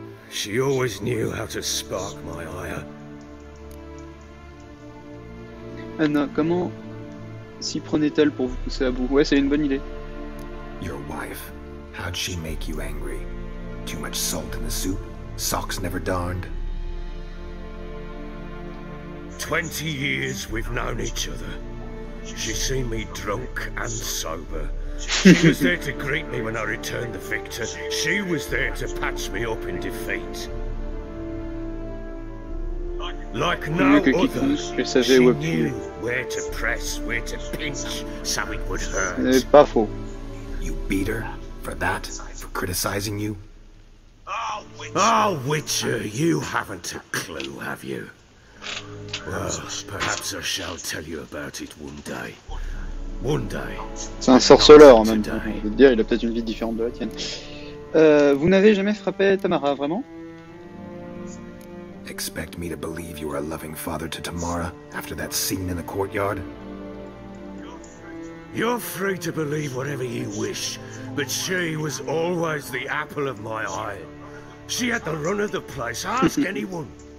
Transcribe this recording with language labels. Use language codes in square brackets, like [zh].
[en] She always knew how to spark my ire. [fr] Anna, comment s'y prenait-elle pour vous pousser à bout? Ouais, c'est une bonne idée. [en] Your wife. How'd she make you angry? Too much salt in the soup? Socks never darned? 20 years we've known each other. She's seen me drunk and sober. She was there to greet me when I returned the victor. She was there to patch me up in defeat. Like no other, she knew where to press, where to pinch, so it would hurt. You beat her? For that? For criticizing you? Oh, Witcher, you haven't a clue, have you? Well, perhaps I shall tell you about it one day. One day. [fr] C'est un sorceleur en même temps. Je veux dire, il a peut-être une vie différente de la tienne. Vous n'avez jamais frappé Tamara, vraiment? [en] Expect me to believe you are a loving father to Tamara after that scene in the courtyard? You're free to believe whatever you wish, but she was always the apple of my eye. She had the run of the place, ask anyone.